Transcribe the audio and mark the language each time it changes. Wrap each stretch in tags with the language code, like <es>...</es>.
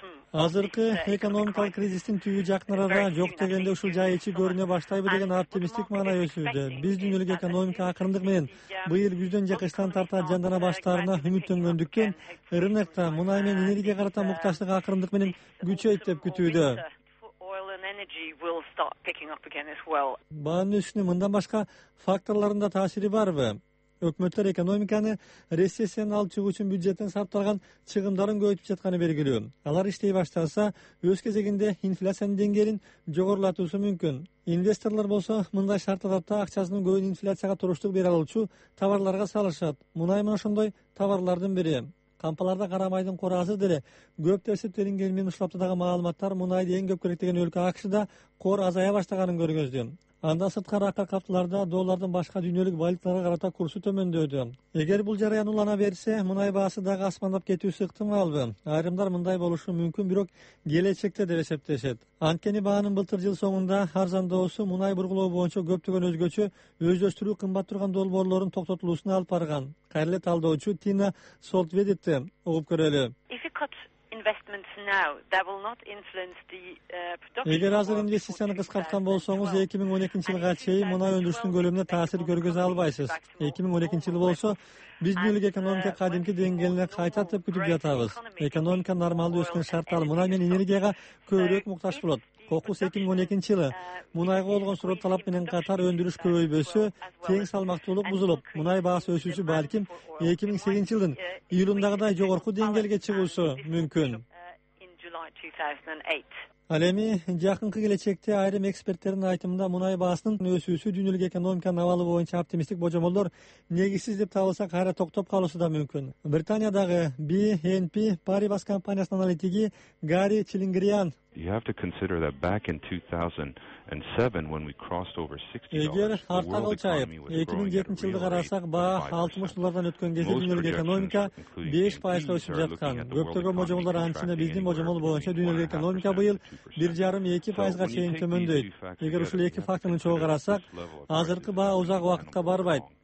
<ky>Азыркы экономикалык кризистин түйү жакынырагы жок дегенде ушул жай ичи көрүнө баштайбы деген оптимисттик маанай өсүүдө. Биз дүйнөлүк экономика акырындык менен быйыл күздөн же кыштан тарта жандана баштарына үмүттөнгөндүктөн рынокта мунай менен энергияга карата муктаждык акырындык менен күчөйт деп күтүүдө.</ky> <en>energy will start picking up again as well.</en> <ky>Баанын өсүүнүн мындан башка факторлорунда таасири барбы? Өкмөттөр экономиканы рецессиядан алып чыгуу үчүн бюджеттен сарптаган чыгымдарын көбөйтүп жатканы белгилүү. Алар иштей баштаса, өз кезегинде инфляциянын деңгээлин жогорулатуусу мүмкүн. Инвесторлор болсо, мындай шарттарда акчасынын көбүн инфляцияга туруштук бере алуучу товарларга салышат. Мунай мына ошондой товарлардын бири. Кампаларда карамайдын корасы деле көп эсептелинген менен ушулап турган маалыматтар мунайды эң көп керек деген өлкө АКШда кор азая баштаганын көргөздү. Анда сырткары акка каптыларда доллардын башка дүйнөлүк валюталарга карата курсу төмөндөдү. Эгер бул жараян улана берсе, мунай баасы дагы асмандап кетүүсү ыктымалбы? Айрымдар мындай болушу мүмкүн, бирок келечекте деп эсептешет. Анткени баанын былтыр жыл соңунда арзандоосу мунай бурулуу боюнча көптөгөн өзгөчө өздөштүрүү кымбат турган долбоорлордун токтотулуусуна алып барган. Кайрыле талдоочу Тина Солтведитти угуп көрөлү.</ky> <en>Investments now that will not influence the production.</en> <ky>Эгер азыр инвестицияны кыскарткан болсоңуз, 2012-жылга чейин мунай өндүрүшүнүн көлөмүнө таасир көргөзө албайсыз. 2012-жыл болсо, биз дүйнөлүк экономика кадимки деңгээлине кайта деп күтүп жатабыз. Экономика нормалдуу өскөн шарттар мунай менен энергияга көбүрөөк муктаж болот. Кокус 2012-жылы мунайга болгон суроо талап менен катар өндүрүш көбөйбөсө, тең салмактуулук бузулуп, мунай баасы өсүүсү балким 2008-жылдын июлундагыдай жогорку деңгээлге чыгуусу мүмкүн. Ал эми жакынкы келечекте айрым эксперттердин айтымында мунай баасынын өсүүсү дүйнөлүк экономиканын абалы боюнча оптимисттик божомолдор негизсиз деп табылса кайра токтоп калуусу да мүмкүн. Британиядагы BNP Paribas компаниясынын аналитиги Гарри Чилингриан.</ky> <en>You have to consider that back in 2007 when we crossed over $60</en> <ky>2007-жылды карасак, баа 60 доллардан өткөн кезде дүйнөлүк экономика 5% өсүп жаткан. Көптөгөн божомолдор анчасында биздин божомол боюнча дүйнөлүк экономика быйыл 1.5-2% чейин төмөндөйт. Эгер ушул эки фактордун чогу карасак, азыркы баа узак убакытка барбайт.</ky>